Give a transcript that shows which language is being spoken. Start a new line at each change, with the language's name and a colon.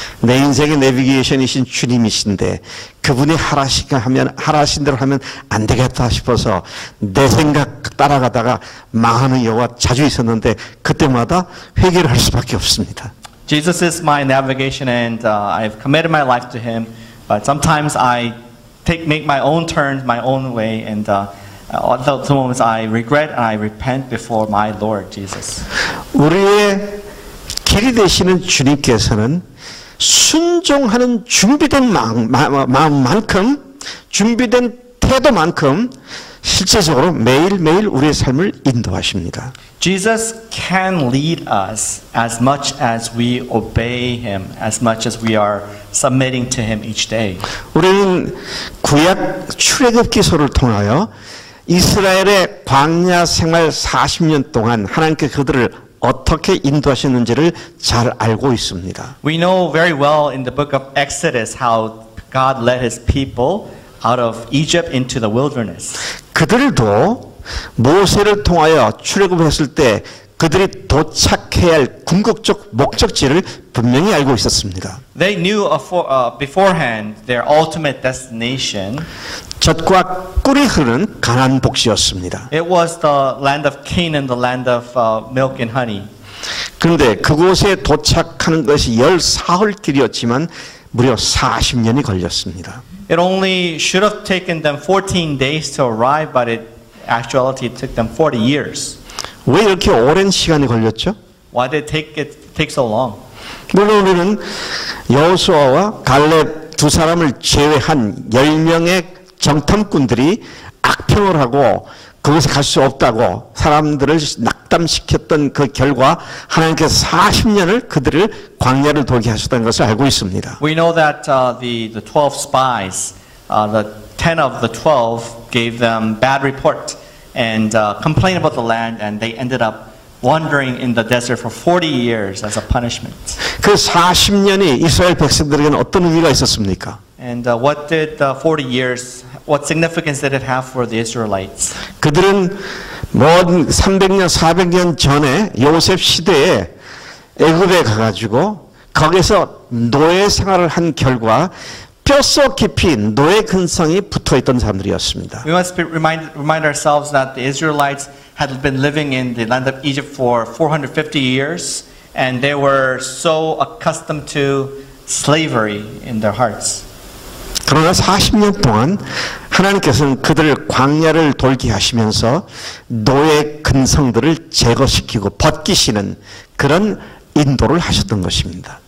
Korean: 내 인생의 내비게이션이신 주님이신데 그분이 하라신 대로 하면 안 되겠다 싶어서 내 생각 따라가다가 망하는 경우가 자주 있었는데 그때마다 회개를 할 수밖에 없습니다.
English: Jesus is my navigation and I've committed my life to him, but sometimes I make my own turns, my own way, and at those moments I regret and I repent before my Lord Jesus.
Korean: 우리의 길이 되시는 주님께서는 순종하는 준비된 마음만큼 준비된 태도만큼 실제적으로 매일매일 우리의 삶을 인도하십니다.
English: Jesus can lead us as much as we obey him, as much as we are submitting to him each day.
Korean: 우리는 구약 출애굽기서를 통하여 이스라엘의 광야 생활 40년 동안 하나님께 그들을 어떻게 인도하셨는지를 잘 알고 있습니다.
English: We know very well in the book of Exodus how God led his people out of Egypt into the wilderness.
Korean: 그들도 모세를 통하여 출애굽했을 때 그들이 도착해야 할 궁극적 목적지를 분명히 알고 있었습니다.
English: They knew beforehand their ultimate destination.
Korean: 젖과 꿀이 흐르는 가나안 복지였습니다.
English: It was the land of Canaan, the land of milk and honey.
Korean: 그런데 그곳에 도착하는 것이 열 사흘 길이었지만 무려 40년이 걸렸습니다.
English: It only should have taken them 14 days to arrive, but in actuality it took them 40 years.
Korean: 왜 이렇게 오랜 시간이 걸렸죠?
English: Why did it take so long?
Korean: 물론 우리는 여호수아와 갈렙 두 사람을 제외한 10명의 정탐꾼들이 악평을 하고 그곳에 갈 수 없다고 사람들을 낙담시켰던 그 결과 하나님께서 40년을 그들을 광야를 돌게 하셨다는 것을 알고 있습니다.
English: We know that the 12 spies, the 10 of the 12 gave them bad report and complained about the land and they ended up wandering in the desert for 40 years as a punishment.
Korean: 그 40년이 이스라엘 백성들에게는 어떤 의미가 있었습니까?
English: And what did the 40 years, what significance did it have for the Israelites?
Korean: 그들은 뭐든 300년, 400년 전에 요셉 시대에 애굽에 가가지고 거기서 노예 생활을 한 결과 뼛속 깊이 노예 근성이 붙어있던 사람들이었습니다.
English: We must remind ourselves that the Israelites had been living in the land of Egypt for 450 years and they were so accustomed to slavery in their hearts.
Korean: 그러나 40년 동안 하나님께서는 그들을 광야를 돌게 하시면서 노예 근성들을 제거시키고 벗기시는 그런 인도를 하셨던 것입니다.